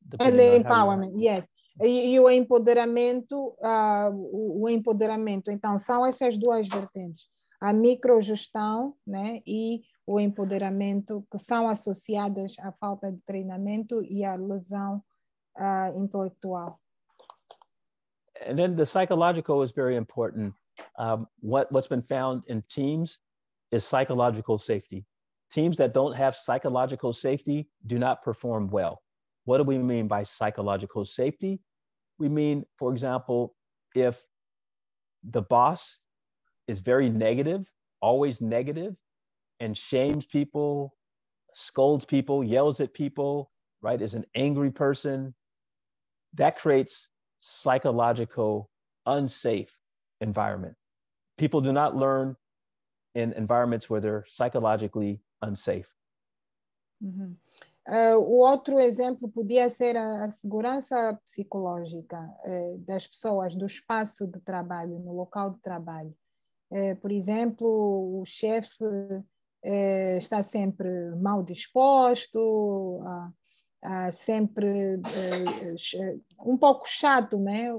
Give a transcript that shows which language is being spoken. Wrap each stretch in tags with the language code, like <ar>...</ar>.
<en>And the empowerment, yes.</en> <pt>E o empoderamento, o empoderamento. Então, são essas duas vertentes. A microgestão, né? E o empoderamento, que são associadas à falta de treinamento e à lesão intelectual.</pt> <en>And then the psychological is very important. What's been found in teams is psychological safety. Teams that don't have psychological safety do not perform well. What do we mean by psychological safety? We mean, for example, if the boss is very negative, always negative, and shames people, scolds people, yells at people, right, is an angry person, that creates psychological unsafe environment. People do not learn in environments where they're psychologically unsafe. Uh-huh.</en> <pt>O outro exemplo podia ser a segurança psicológica das pessoas, do espaço de trabalho, no local de trabalho. Por exemplo, o chefe está sempre mal disposto, sempre um pouco chato, né?</pt>